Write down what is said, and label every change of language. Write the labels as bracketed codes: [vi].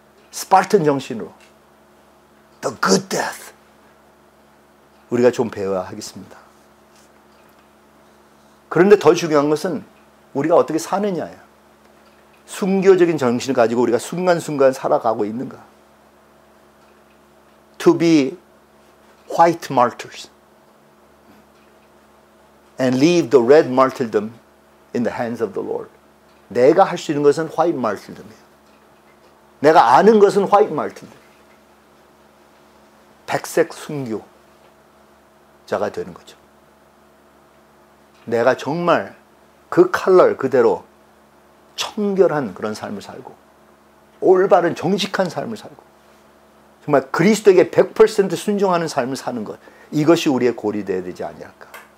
[ko] 스파르탄 정신으로 [en] The good death [ko] 우리가 좀 배워야 하겠습니다. 그런데 더 중요한 것은 우리가 어떻게 사느냐예요. 순교적인 정신을 가지고 우리가 순간순간 살아가고 있는가. [en] To be white martyrs and leave the red martyrdom in the hands of the Lord. [ko] 내가 할 수 있는 것은 화이트 말티즘이에요. 내가 아는 것은 화이트 말티즘. 백색 순교자가 되는 거죠. 내가 정말 그 컬러 그대로 청결한 그런 삶을 살고 올바른 정직한 삶을 살고 정말 그리스도에게 100% 순종하는 삶을 사는 것, 이것이 우리의 골이 되어야 되지 않을까.